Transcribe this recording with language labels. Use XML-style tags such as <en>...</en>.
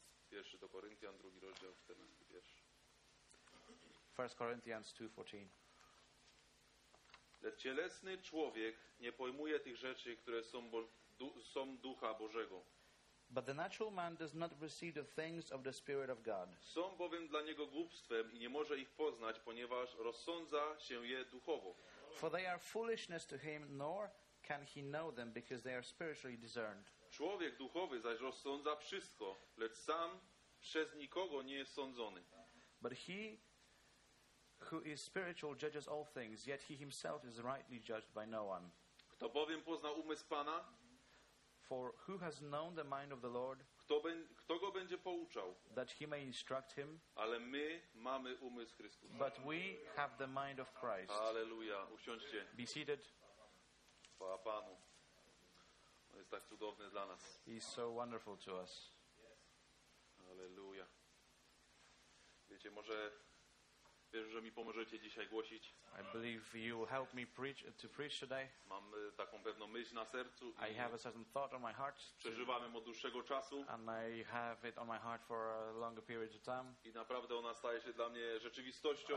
<pl>Pierwszy do Koryntian, drugi rozdział, 14 wiersz.</pl> <en>1 Corinthians 2:14.</en> <pl>Lecz cielesny człowiek nie pojmuje tych rzeczy, które są, są Ducha Bożego.</pl> <en>But the natural man does not receive the things of the Spirit of God.</en> <pl>Są bowiem dla niego głupstwem i nie może ich poznać, ponieważ rozsądza się je duchowo.</pl> <en>For they are foolishness to him, nor can he know them, because they are spiritually discerned.</en> <pl>Człowiek duchowy zaś rozsądza wszystko, lecz sam przez nikogo nie jest sądzony.</pl> <en>But he who is spiritual judges all things, yet he himself is rightly judged by no one.</en> <pl>Kto bowiem pozna umysł Pana?</pl> <en>For who has known the mind of the Lord?</en> <pl>Kto go będzie pouczał?</pl> <en>That he may instruct him.</en> <pl>Ale my mamy umysł Chrystusa.</pl> <en>But we have the mind of Christ.</en> <pl>Alleluja. Usiądźcie.</pl> <en>Be seated.</en> <pl>Chwała Panu. On jest tak cudowny dla nas.</pl> <en>He is so wonderful to us.</en> <pl>Alleluja. Wiecie, może wierzę, że mi pomożecie dzisiaj głosić.</pl> <en>I believe you will help me preach today.</en> <pl>Mam taką pewną myśl na sercu.</pl> <en>I have a certain thought on my heart.</en> <pl>Przeżywamy od dłuższego czasu.</pl> <en>And I have it on my heart for a longer period of time.</en> <pl>I naprawdę ona staje się dla mnie rzeczywistością.</pl>